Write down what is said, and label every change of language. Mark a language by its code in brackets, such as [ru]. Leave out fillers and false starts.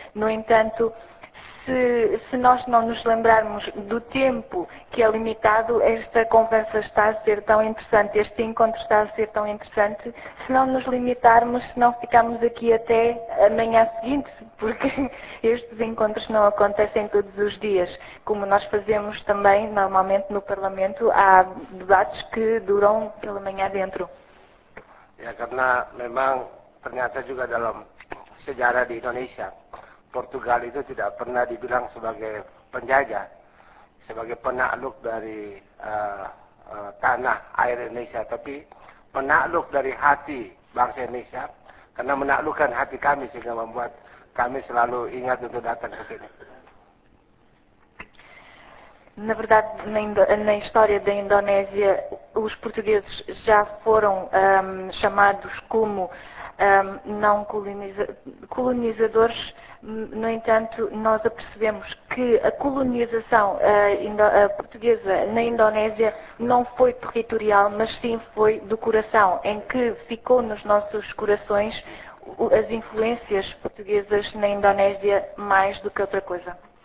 [pt] No entanto, se nós não nos lembrarmos do tempo que é limitado, esta conversa está a ser tão interessante, este encontro está a ser tão interessante, se não nos limitarmos, se não ficarmos aqui até amanhã seguinte, porque estes encontros não acontecem todos os dias, como nós fazemos também normalmente no Parlamento, há debates que duram pela manhã dentro. [id] É, karena memang ternyata juga dalam sejarah di Indonesia, Portugal itu tidak pernah dibilang sebagai penjajah, sebagai penakluk dari tanah air Indonesia, tapi penakluk dari hati bangsa Indonesia, karena menaklukkan hati kami sehingga membuat kami selalu ingat untuk datang ke sini. [pt] Na verdade, na história da Indonésia, os portugueses já foram chamados como não colonizadores, no entanto, nós apercebemos que a colonização portuguesa na Indonésia não foi territorial, mas sim foi do coração, em que ficou nos nossos corações as influências portuguesas na Indonésia mais do que outra coisa.